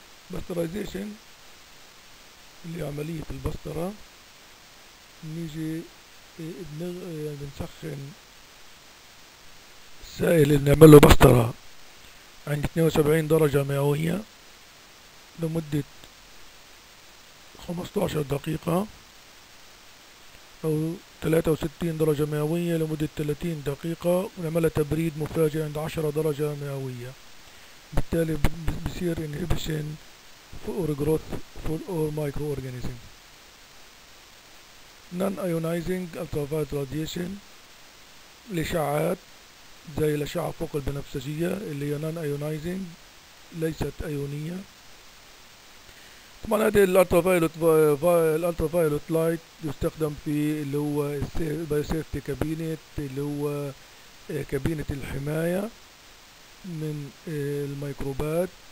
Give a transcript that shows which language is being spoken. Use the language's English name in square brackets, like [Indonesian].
[Arabic] باسترايزيشن اللي عملية البسترة، نيجي بنسخن السائل اللي نعمل له بسترة عند 72 درجة مئوية لمدة 15 دقيقة، أو 63 درجة مئوية لمدة 30 دقيقة، ونعملها تبريد مفاجئ عند 10 درجة مئوية. بالتالي بصير [English] inhibition for growth for all microorganism. Non-ionizing ultraviolet radiation، [Arabic] الإشعاعات زي الأشعة فوق البنفسجية اللي هي non-ionizing، ليست أيونية. طبعا هذه الالتروفايلوت لايت يستخدم في اللي هو بايوسيفتي كابينت، اللي هو كابينة الحماية من الميكروبات.